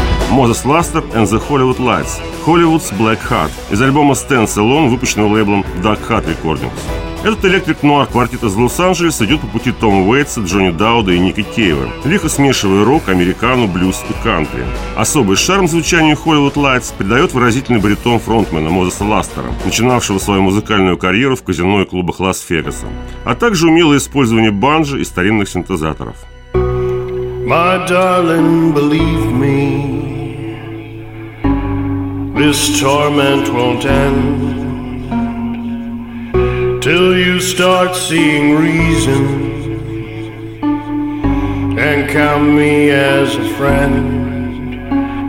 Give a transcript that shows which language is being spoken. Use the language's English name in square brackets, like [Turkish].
[Russian] Moses Luster and the Hollywood Lights, Hollywood's Black Heart, из альбома Stand Alone, выпущенного лейблом Dark Heart Recordings. Этот электрик-нуар квартет из Лос-Анджелеса идет по пути Тома Уэйтса, Джонни Дауда и Ники Кейва, лихо смешивая рок, американо, блюз и кантри. Особый шарм звучанию Hollywood Lights придает выразительный баритон фронтмена Moses Luster, начинавшего свою музыкальную карьеру в казино и клубах Лас-Вегаса, а также умелое использование банджо и старинных синтезаторов. [English] My darling, believe me, this torment won't end till you start seeing reason and count me as a friend.